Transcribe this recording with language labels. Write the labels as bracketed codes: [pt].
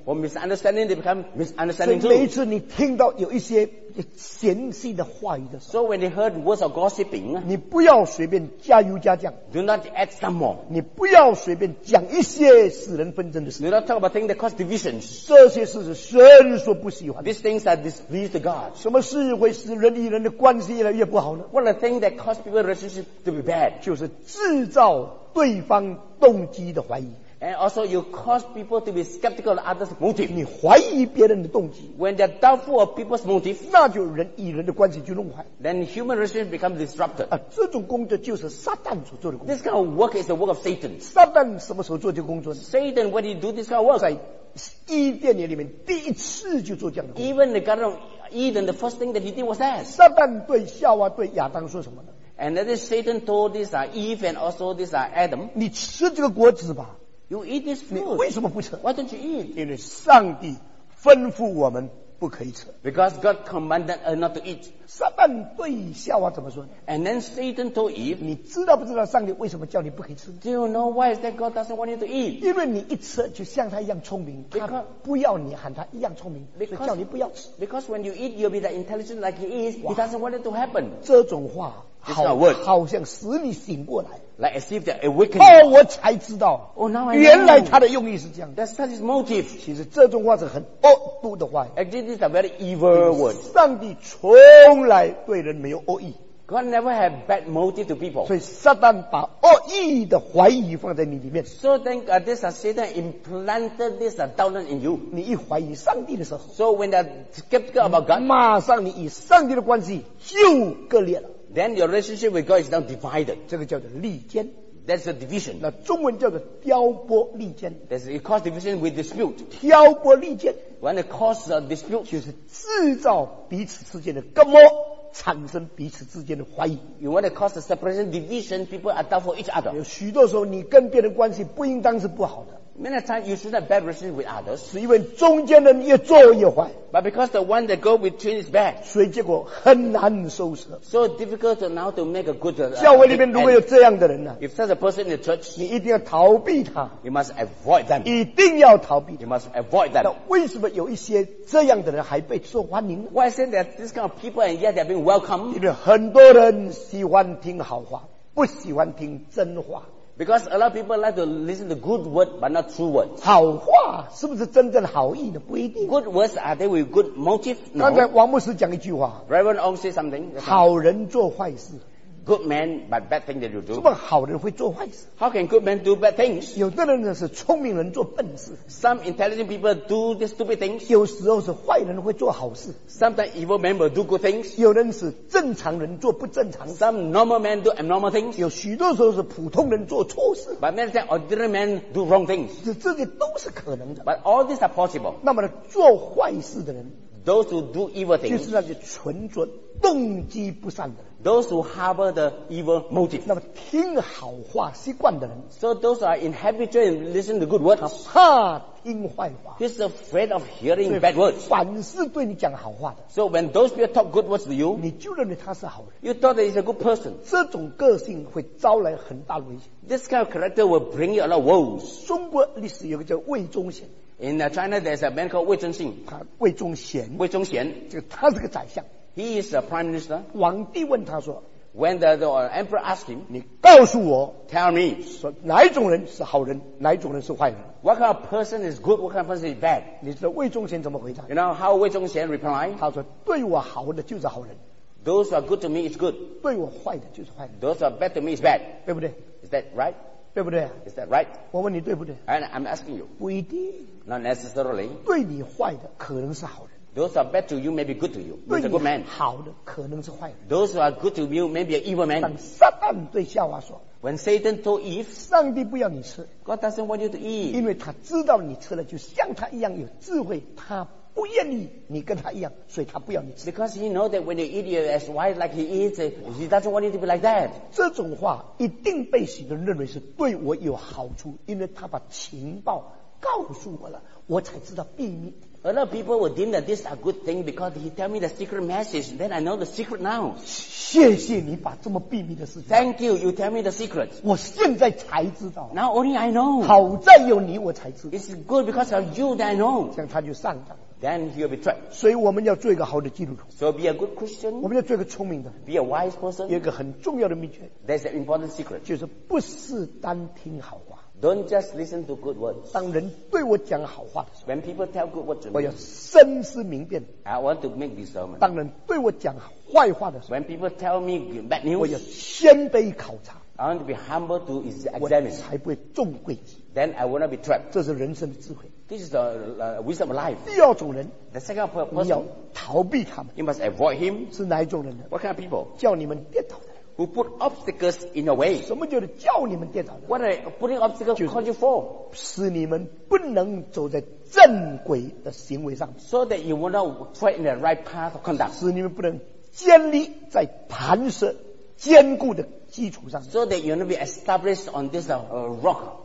[en] From misunderstanding they become misunderstanding too. [zh] 所以每一次你听到有一些嫌隙的话语的时候 [en] ，So when they heard words of gossiping, [zh] 你不要随便加油加酱。 [en] Do not add some more. [zh] 你不要随便讲一些使人纷争的事。 [en] Do not talk about things that cause divisions. [zh] 这些事是神所不喜欢的。 [en] These things that displease God. [zh] 什么事会使人与人的关系越来越不好呢？ [en] The thing that caused people's relationship to be bad, [zh] 就是制造对方动机的怀疑。 [en] And also, you cause people to be skeptical of others' motive. [zh] 你怀疑别人的动机。 [en] When they're doubtful of people's motive, [zh] 那就人与人的关系就弄坏。 [en] Then human relationship becomes disrupted. [zh] 啊，这种工作就是撒旦所做的工作。 [en] This kind of work is the work of Satan. [zh] 撒旦什么时候做这个工作呢？ [en] Satan, when he do this kind of work, [zh] 在伊甸园里面第一次就做这样的工作。 [en] Even the Garden of Eden, the first thing that he did was that. [zh] 撒旦对夏娃对亚当说什么呢？ [en] And then Satan told this Eve and also this Adam. [zh] 你吃这个果子吧。 [en] You eat this fruit. [zh] 你为什么不吃？ [en] Why don't you eat? [zh] 因为上帝吩咐我们不可以吃。 [en] Because God commanded us not to eat. [zh] 撒旦对夏娃怎么说？ [en] And then Satan told Eve. [zh] 你知道不知道上帝为什么叫你不可以吃？ [en] Do you know why is that God doesn't want you to eat? [zh] 因为你一吃就像他一样聪明，他不要你喊他一样聪明，所以叫你不要吃。 [en] Because when you eat, you'll be that intelligent like he is. He doesn't want it to happen. [zh] 这种话好像使你醒过来。 [en] Like as if they're awakening. [zh] 我才知道。 [en] Oh, now I know. [zh] 原来他的用意是这样。 [en] That's such his motive. [zh] 其实这种话是很恶毒的话。 [en] Actually, this is a very evil word. [zh] 上帝从来对人没有恶意。 [en] God never had bad motive to people. [zh] 所以撒旦把恶意的怀疑放在你里面。 [en] So then, this Satan implanted this doubt in you. [zh] 你一怀疑上帝的时候。 [en] So when they're skeptical about God. [zh] 马上你与上帝的关系就割裂了。 [en] Then your relationship with God is now divided. [zh] 这个叫做利间。 [en] That's a division. [zh] 那中文叫做挑拨利间。 [en] That's it cause division with dispute. [zh] 挑拨利间。 [en] When it causes a dispute. [zh] 就是制造彼此之间的隔膜，产生彼此之间的怀疑。 [en] You want to cause a separation, division, people are doubtful each other. [zh] 有许多时候你跟别人关系不应当是不好的。 [en] Many times you shouldn't have bad relationship with others. [zh] 是因为中间的人越做越坏。 [en] But because the one that go between is bad. [zh] 所以结果很难收拾。 [en] So difficult now to make a good. [zh] 教会里面如果有这样的人呢、啊、 [en] ？If such a person in the church, [zh] 你一定要逃避他。 [en] You must avoid them. [zh] 一定要逃避。 [en] You must avoid them. [zh] 那为什么有一些这样的人还被受欢迎呢 [en] ？Why is it that this kind of people and yet they're being welcomed? [zh] 因为很多人喜欢听好话，不喜欢听真话。 [en] Because a lot of people like to listen to good word but not true word. [zh] 好话是不是真正好意的？不一定。 [en] Good words are they with good motive? No. [zh] 刚才王牧师讲一句话。 [en] Reverend Ong said something. [zh] 好人做坏事。 [en] Good man but bad thing that you do. [zh] 怎么好人会做坏事？ [en] How can good men do bad things? [zh] 有的人是聪明人做笨事。 [en] Some intelligent people do the stupid things. [zh] 有时候是坏人会做好事。 [en] Sometimes evil men will do good things. [zh] 有人是正常人做不正常事。 [en] Some normal men do abnormal things. [zh] 有许多时候是普通人做错事。 [en] But many times ordinary men do wrong things. [zh] 这些都是可能的。 [en] But all these are possible. [zh] 那么做坏事的人。 [en] Those who do evil things. [zh] 就是那些蠢蠢动机不善的人。 [en] Those who harbor the evil motive. [zh] 那么听好话习惯的人。 [en] So those who are in habit to listen to good words. [zh] 他怕听坏话。 [en] He's afraid of hearing bad words. [zh] 凡是对你讲好话的。 [en] So when those people talk good words to you. [zh] 你就认为他是好人。 [en] You thought that he's a good person. [zh] 这种个性会招来很大的危险。 [en] This kind of character will bring you a lot of woes. [zh] 中国历史有个叫魏忠贤。 [en] In China, there's a man called 魏忠信。 [zh] 他魏忠贤。魏忠贤。就他是个宰相。 [en] He is a prime minister. [zh] 皇帝问他说 [en] When the emperor asked him, [zh] 你告诉我 [en] Tell me, [zh] 说哪一种人是好人，哪一种人是坏人？ [en] What kind of person is good? What kind of person is bad? [zh] 你知道魏忠贤怎么回答？ [en] You know how 魏忠贤 replied? [zh] 他说对我好的就是好人。 [en] Those who are good to me is good. [zh] 对我坏的就是坏人。 [en] Those who are bad to me is bad. [zh] 对不对？ [en] Is that right? [zh] 对不对？ [en] Is that right? [zh] 我问你对不对？ [en] And I'm asking you. [zh] 不一定。 [en] Not necessarily. [zh] 对你坏的可能是好人。 [en] Those who are bad to you may be good to you. He's a good man. [zh] 好的可能是坏的。 [en] Those who are good to you may be an evil man. [zh] 当撒旦对夏娃说 [en] When Satan told Eve, [zh] 上帝不要你吃。 [en] God doesn't want you to eat. [zh] 因为他知道你吃了就像他一样有智慧，他不愿意你跟他一样，所以他不要你吃。 [en] Because he knows that when you eat, you're as wise like he is. He doesn't want you to be like that. [zh] 这种话一定被许多人认为是对我有好处，因为他把情报告诉我了，我才知道秘密。 [en] A lot of people would deem that this is a good thing because he tell me the secret message, then I know the secret now. [zh] 谢谢你把这么秘密的事情, [en] Thank you, you tell me the secret. [zh] 我现在才知道, [en] now only I know. [zh] 好在有你我才知道, [en] it's good because of you that I know. [zh] 这样他就上当, [en] then he will be tried. [zh] 所以我们要做一个好的基督徒, [en] so be a good Christian. [zh] 我们要做一个聪明的, [en] be a wise person. [zh] 有一个很重要的秘诀, [en] that's an important secret. [zh] 就是不是单听好话, [en] don't just listen to good words. [zh] 当人对我讲好话的时候, [en] when people tell good words to me, [zh] 我要深思明辨, [en] I want to make discernment. [zh] 当人对我讲坏话的时候, [en] when people tell me bad news, [zh] 我要先被考察, [en] I want to be humble to examine, [zh] 我才不会中诡计, [en] then I will not be trapped. [zh] 这是人生的智慧, [en] this is the wisdom of life. [zh] 第二种人, [en] the second person, [zh] 你要逃避他们, [en] you must avoid him. [zh] 是哪一种人呢? [en] What kind of people? [zh] 叫你们跌倒的, [en] who put obstacles in your way. [zh] 什么叫做叫你们跌倒的? [en] What are putting obstacles called you for? [zh] 使你们不能走在正轨的行为上, [en] so that you will not tread in the right path of conduct. [zh] 使你们不能建立在磐石坚固的基础上, [en] so that you will not be established on this rock.